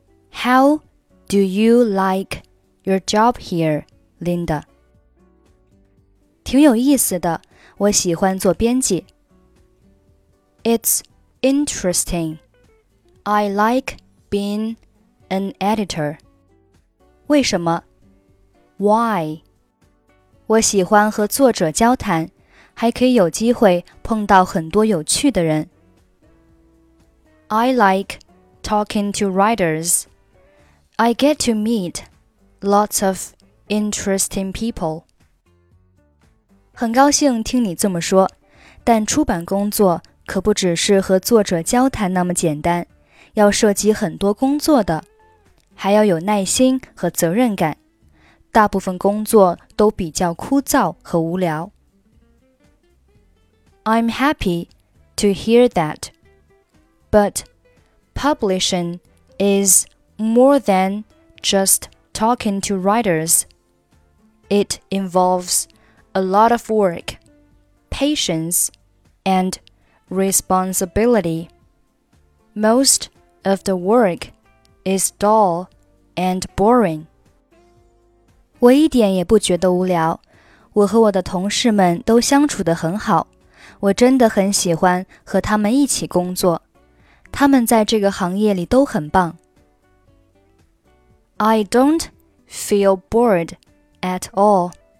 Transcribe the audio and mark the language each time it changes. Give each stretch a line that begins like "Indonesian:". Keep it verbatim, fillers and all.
English: How do you like your job here, Linda?
Chinese: 挺有意思的，我喜欢做编辑。
English: It's interesting. I like being an editor.
Chinese: 为什么？
English: Why?
Chinese: 我喜欢和作者交谈。还可以有机会碰到很多有趣的人。
English: I like talking to writers. I get to meet lots of interesting people.
Chinese: 很高兴听你这么说，但出版工作可不只是和作者交谈那么简单，要涉及很多工作的，还要有耐心和责任感。大部分工作都比较枯燥和无聊。
English: I'm happy to hear that, but publishing is more than just talking to writers. It involves a lot of work, patience, and responsibility. Most of the work is dull and boring.
Chinese: 我一点也不觉得无聊，我和我的同事们都相处得很好。我真的很喜欢和他们一起工作，他们在这个行业里都很棒。
English: I don't feel bored at all.